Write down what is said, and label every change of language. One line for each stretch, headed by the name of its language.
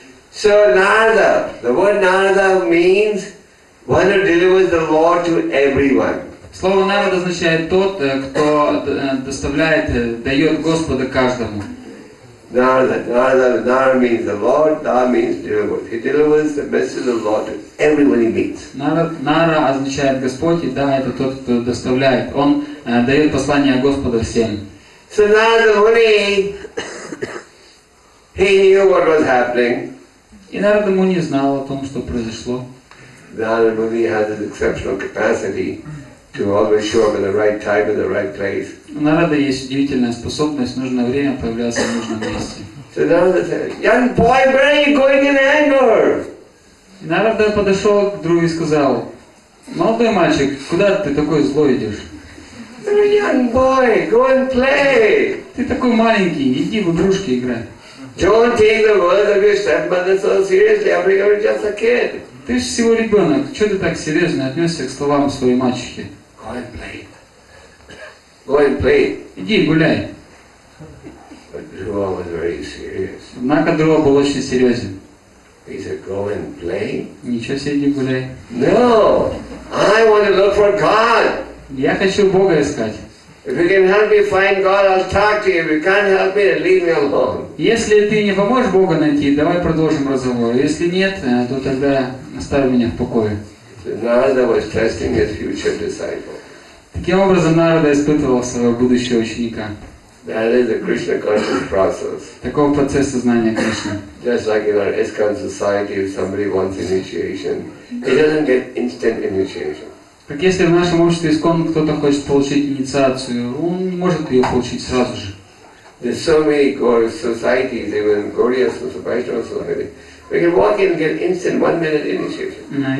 English: So Narada, the word Narada means one who delivers the law to everyone.
Russian: Слово Нарада означает тот, кто доставляет, дает Господа каждому.
English: Нарада means the Lord, Da means deliver. He delivers the message of the Lord to everyone he meets.
Russian: Нара означает Господь, и Да, это тот, кто доставляет. Он дает послание Господа всем.
English: So Narada Muni, he knew what was happening.
Russian: И Нарада Муни знал о том, что произошло.
English: Narada Muni has an exceptional capacity to always show up at the right time in the right place.
Russian: Нарада есть удивительная способность, нужное время появляться в нужном месте.
English: So Нарада said, "Young boy, where are you going in anger?"
Russian: Нарада подошел к другу и сказал, "Молодой мальчик, куда ты такой злой идешь?"
English: "You're a young boy, go and play."
Russian: Ты такой маленький, иди в игрушки играй.
English: "Don't take the words of your stepmother so seriously. I'm really just a kid."
Russian: Ты же всего ребенок. Чего ты так серьезно отнесся к словам своей мачехи?
English: Go and play. Go and play.
Russian: Иди гуляй.
English: But Drua was very serious.
Russian: Однако Drua был очень серьезен.
English: He said, go and play.
Russian: Ничего себе, иди гуляй.
English: No, I want to look for God.
Russian: Я хочу Бога искать.
English: If you can help me find God, I'll talk to you. If you can't help me, then leave me alone.
Russian: Если ты не поможешь Бога найти, давай продолжим разговор. Если нет, то тогда оставь меня в покое.
English: Narada was testing his future disciple.
Russian: Таким образом, Нарада испытывал своего будущего ученика.
English: That is the Krishna conscious process.
Russian: Такого процесса знания Кришны.
English: Just like in our ISKCON society, if somebody wants initiation, he doesn't get instant initiation.
Russian: Так если в нашем обществе исконно кто-то хочет получить инициацию, он не может ее получить сразу же.
English: There's so many societies, even Gaudiya Vaishnava society. We can walk in and get instant 1 minute initiation.